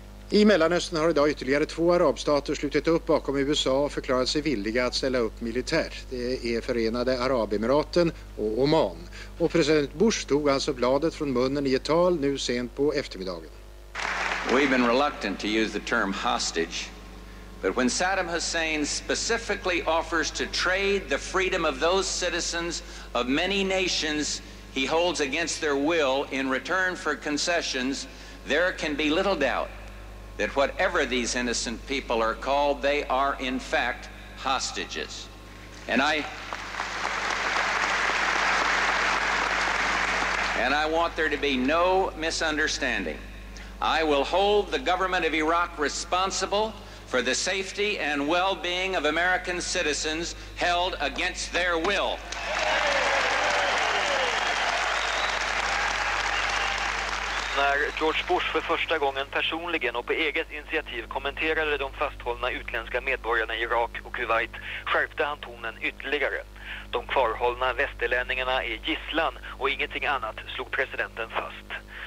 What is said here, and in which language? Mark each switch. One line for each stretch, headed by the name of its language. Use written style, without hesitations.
Swedish: I Mellanöstern har idag ytterligare två arabstater slutit upp bakom USA och förklarat sig villiga att ställa upp militär. Det är Förenade Arabemiraten och Oman. Och president Bush tog alltså bladet från munnen i ett tal nu sent på eftermiddagen.
English: We've been reluctant to use the term hostage, but when Saddam Hussein specifically offers to trade the freedom of those citizens of many nations he holds against their will in return for concessions, there can be little doubt that whatever these innocent people are called, they are in fact hostages. And I want there to be no misunderstanding. I will hold the government of Iraq responsible for the safety and well-being of American citizens held against their will.
Swedish: När George Bush för första gången personligen och på eget initiativ kommenterade de fasthållna utländska medborgarna i Irak och Kuwait skärpte han tonen ytterligare. De kvarhållna västerlänningarna är gisslan och ingenting annat, slog presidenten fast.